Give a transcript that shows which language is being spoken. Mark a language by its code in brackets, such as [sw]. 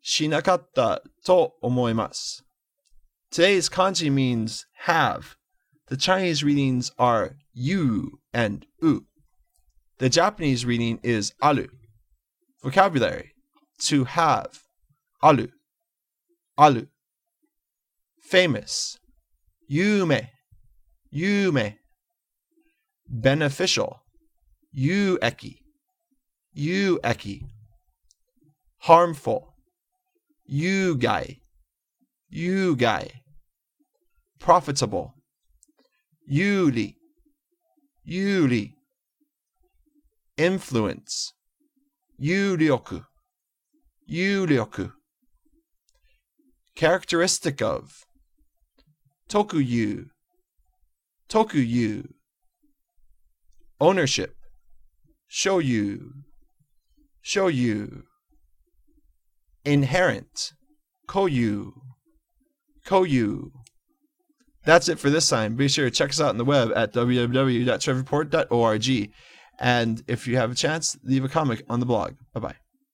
[ja] 会計もリポートさせる。これはとてもいいアイデアと思います。子供の時、そういう全会前で生徒会リポートをしなかったと思います。 [en] Today's kanji means have. The Chinese readings are you and u. The Japanese reading is aru. Vocabulary. To have, ある, ある. Famous, 有名, 有名. Beneficial, 有益, 有益. Harmful, 有害, 有害. Profitable, 有利, 有利. Influence, 有力. [ja] 有力. [en] Characteristic of 特有 特有. Ownership 所有 所有. Inherent 固有 固有. That's it for this time. Be sure to check us out on the web at www.trevreport.org, and if you have a chance, leave a comment on the blog. Bye-bye.